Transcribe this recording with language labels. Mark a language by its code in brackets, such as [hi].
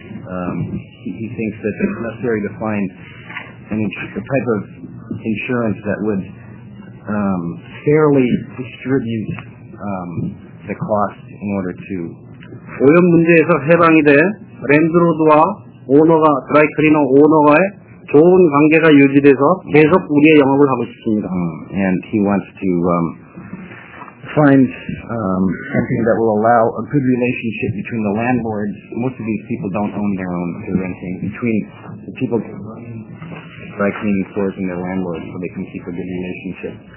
[en] And he thinks that it's necessary to find a type of insurance that would fairly distribute the cost in order to [ko] 오염 문제에서 해방이 돼 랜드로드와 오너가 드라이 클리너 오너와의 좋은 관계가 유지돼서 계속 우리의 영업을 하고 싶습니다. [en] And he wants to find something that will allow a good relationship between the landlords. Most of these people don't own their own, they're renting. Between the people dry cleaning stores and their landlords, so they can keep a good relationship.